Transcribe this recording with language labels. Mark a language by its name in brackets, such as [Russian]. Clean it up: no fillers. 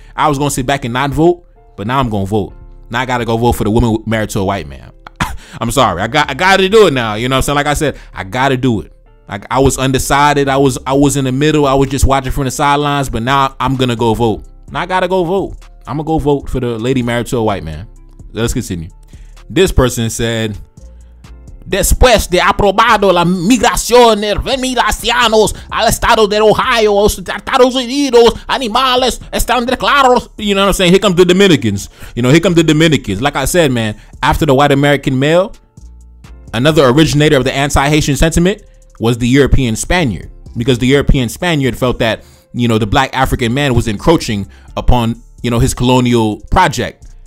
[English] I was going to sit back and not vote, but now I'm going to vote. Now I got to go vote for the woman married to a white man. I'm sorry. I got to do it now. You know what I'm saying? Like I said, I got to do it. Like, I was undecided. I was in the middle. I was just watching from the sidelines, but now I'm going to go vote. Now I got to go vote. I'm going to go vote for the lady married to a white man. Let's continue. [Spanish] This person said, después de aprobado la migración de 20,000 haitianos al estado de Ohio, Estados Unidos, animales están declarados. [English] You know what I'm saying? Here come the Dominicans. You know, here come the Dominicans. Like I said, man, after the white American male, another originator of the anti-Haitian sentiment was the European Spaniard. Because the European Spaniard felt that, you know, the black African man was encroaching upon, you know, his colonial project.